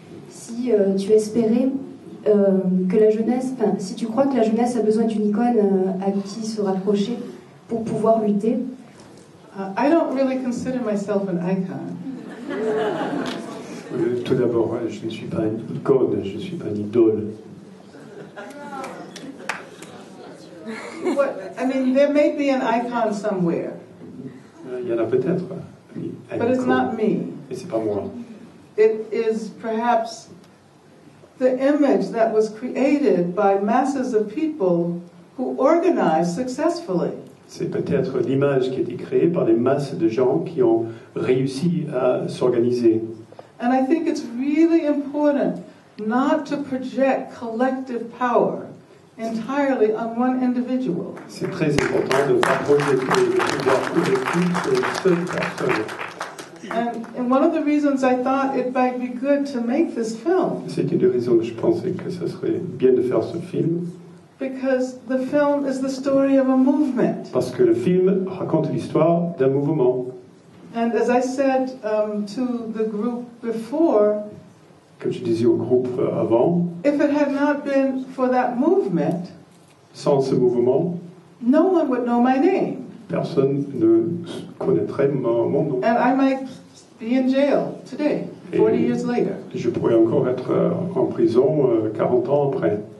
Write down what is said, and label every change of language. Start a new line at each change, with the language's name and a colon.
French: Si tu espérais... que la jeunesse, si tu crois que la jeunesse a besoin d'une icône à qui se rapprocher pour pouvoir lutter.
English: I don't really consider myself an icon.
French: Tout d'abord, je ne suis pas une icône, je ne suis pas une idole.
English: I mean, there may be an icon somewhere.
French: Il y en a peut-être.
English: But it's not me.
French: Et c'est pas moi.
English: It is perhaps the image that was created by masses of people who organized successfully.
French: C'est peut-être l'image qui a été créée par des masses de gens qui ont réussi à s'organiser.
English: And I think it's really important not to project collective power entirely on one individual.
French: C'est très important de ne pas projeter le pouvoir collectif sur une seule personne.
English: And one of the reasons I thought it might be good to make this film.
French: C'est une des raisons que je pensais que ça serait bien de faire ce film.
English: Because the film is the story of a movement.
French: Parce que le film raconte l'histoire d'un mouvement.
English: And as I said to the group before.
French: Comme je disais au groupe avant.
English: If it had not been for that movement.
French: Sans ce mouvement.
English: No one would know my name.
French: Personne ne connaîtrait mon nom.
English: And I might be in jail today, 40 years later.
French: Je pourrais encore être en prison 40 ans après.